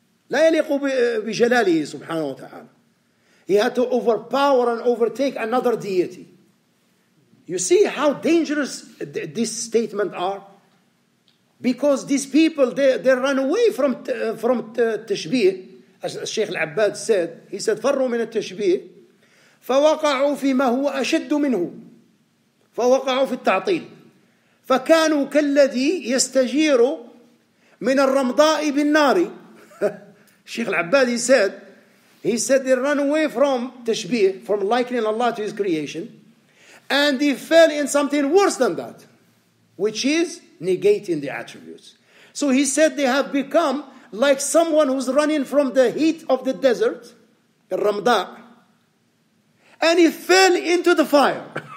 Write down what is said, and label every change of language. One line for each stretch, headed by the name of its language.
Arabic: لا يليق بجلاله سبحانه وتعالى.
English: He had to overpower and overtake another deity. You see how dangerous this statement are? Because these people, they run away from tashbih. As Sheikh Al-Abbad said, he said,
Arabic: فروا من التشبيه فوقعوا فيما هو أشد منه فوقعوا في التعطيل فكانوا كالذي يستجيروا من الرمضاء بالنار.
English: Sheikh Al-Abbad, he said they run away from tashbih, from likening Allah to his creation, and they fell in something worse than that, which is negating the attributes. So he said they have become like someone who's running from the heat of the desert, the Ramda, and he fell into the fire.